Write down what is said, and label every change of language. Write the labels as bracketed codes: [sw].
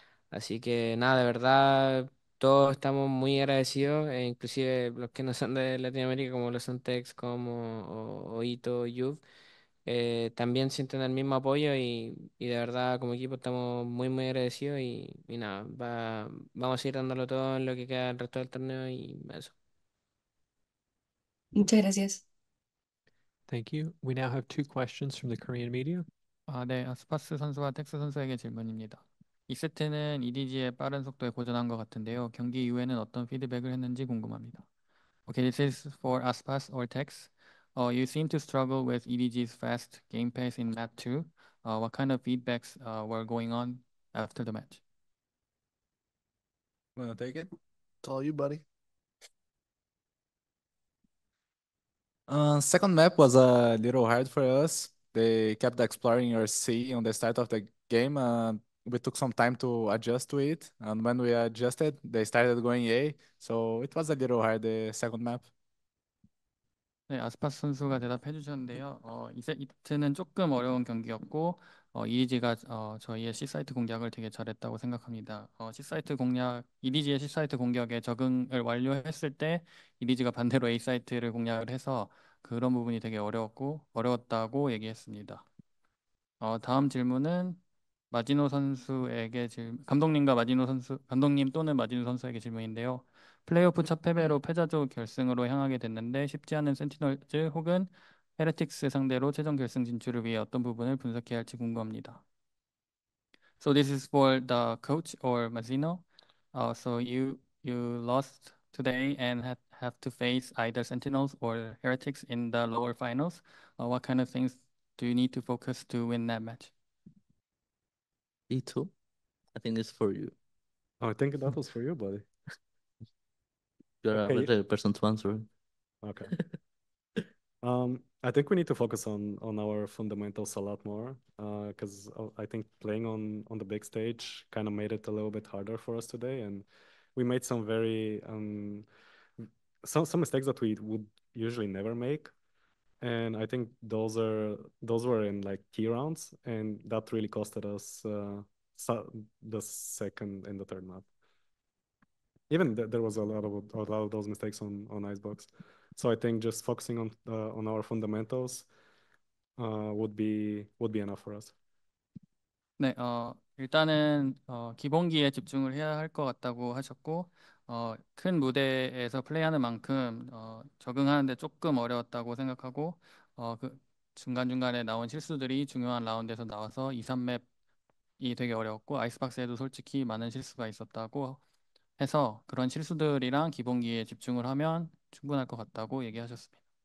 [es] Así que nada, de verdad. Todos estamos muy agradecidos, inclusive los que no son de Latinoamérica, como los son Tex, como o Ito, Yuv, también sienten el mismo apoyo y de verdad como equipo estamos muy muy agradecidos y nada, vamos a ir dándolo todo en lo que queda el resto del torneo y eso. Muchas gracias. [en] Thank you. We now have two questions from the Korean media. [ko] 네, 아스파스 선수와 텍스 선수에게 질문입니다. 2세트는 EDG의 빠른 속도에 고전한 것 같은데요. 경기 이후에는 어떤 피드백을 했는지 궁금합니다. [en] Okay, this is for aspas or Tex. You seem to struggle with EDG's fast game pace in map 2. What kind of feedbacks were going on after the match? Wanna take it? It's all you, buddy. Second map was a little hard for us. They kept exploring your C on the start of the game. We took some time to adjust to it, and when we adjusted, they started going A. So it was a little hard the second map. [ko] 네, 아스파스 선수가 대답해 주셨는데요. 2세트는 조금 어려운 경기였고 EDG가 저희의 C사이트 공략을 되게 잘했다고 생각합니다. C사이트 공략, EDG의 C사이트 공격에 적응을 완료했을 때 EDG가 반대로 A사이트를 공략을 해서 그런 부분이 되게 어려웠다고 얘기했습니다. 다음 질문은 마지노 선수에게 감독님과 마지노 선수, 감독님 또는 마지노 선수에게 질문인데요. 플레이오프 첫 패배로 패자조 결승으로 향하게 됐는데 쉽지 않은 센티널즈 혹은 헤레틱스 상대로 최종 결승 진출을 위해 어떤 부분을 분석해야 할지 궁금합니다. [en] So this is for the coach or Mazino. So you lost today and have to face either Sentinels or Heretics in the lower finals. What kind of things do you need to focus to win that match? Ito, I think it's for you. I think that was for you, buddy. You're a Okay. better person to answer. Okay. I think we need to focus on our fundamentals a lot more, because I think playing on the big stage kind of made it a little bit harder for us today, and we made some very some mistakes that we would usually never make, and I think those were in like key rounds, and that really costed us. So the second and the third map. Even th there was a lot of those mistakes on Icebox. So I think just focusing on our fundamentals would be enough for us. [ko] 네, 일단은 기본기에 집중을 해야 할것 같다고 하셨고 큰 무대에서 플레이하는 만큼 적응하는데 조금 어려웠다고 생각하고 그 중간중간에 나온 실수들이 중요한 라운드에서 나와서 2, 3맵이 되게 어려웠고 아이스박스에도 솔직히 많은 실수가 있었다고 해서 그런 실수들이랑 기본기에 집중을 하면 충분할 것 같다고 얘기하셨습니다.